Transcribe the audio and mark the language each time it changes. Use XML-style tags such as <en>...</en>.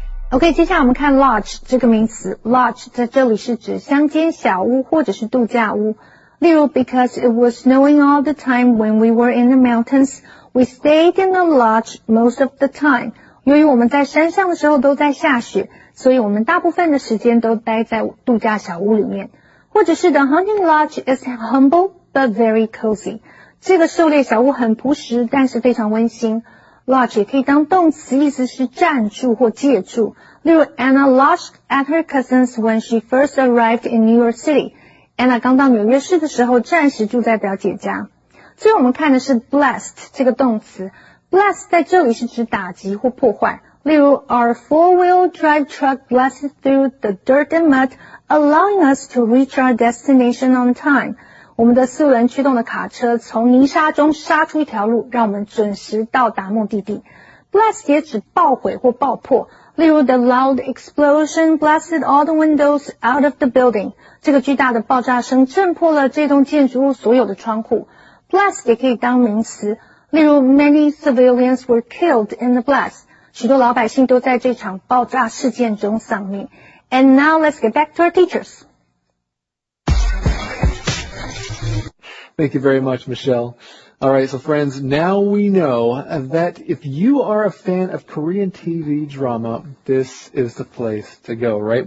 <zh>OK, 接下来我们看 lodge 这个名词。Lodge 在这里是指乡间小屋或者是度假屋。例如</zh> <en>because it was snowing all the time when we were in the mountains, we stayed in the lodge most of the time.</en> <zh>由于我们在山上的时候都在下雪，所以我们大部分的时间都待在度假小屋里面。或者是</zh> <en>the hunting lodge is humble but very cozy.</en> <zh>这个狩猎小屋很朴实但是非常温馨。 Lodge 也可以当动词，意思是暂住或借住。例如</zh> <en>Anna lodged at her cousin's when she first arrived in New York City.</en> <zh>Anna 刚到纽约市的时候暂时住在表姐家。最后我们看的是 blessed 这个动词。 Blessed 在这里是指打击或破坏。例如</zh> <en>Our four-wheel drive truck blasted through the dirt and mud, allowing us to reach our destination on time.</en> <zh>我们的四轮驱动的卡车从泥沙中杀出一条路，让我们准时到达目的地。Blast 也指爆毁或爆破，例如</zh> <en>the loud explosion blasted all the windows out of the building.</en> <zh>这个巨大的爆炸声震破了这栋建筑物所有的窗户。</zh> <en>Blast</en> <zh>也可以当名词，例如</zh> <en>many civilians were killed in the blast.</en> <zh>许多老百姓都在这场爆炸事件中丧命。</zh> <en>And now let's get back to our teachers. Thank you very much, Michelle. All right, so friends, now we know that if you are a fan of Korean TV drama, this is the place to go, right?</en>